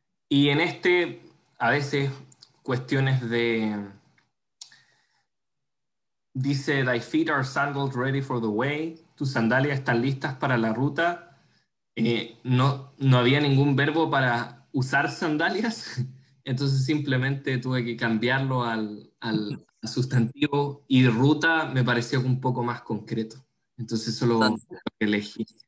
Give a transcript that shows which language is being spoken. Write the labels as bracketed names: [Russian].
[Spanish] Y en este, a veces, cuestiones de. [English] Dice, Thy feet are sandals ready for the way. [Spanish] Tus sandalias están listas para la ruta. No había ningún verbo para usar sandalias. Entonces simplemente tuve que cambiarlo al sustantivo. Y ruta me pareció un poco más concreto. Entonces solo elegí.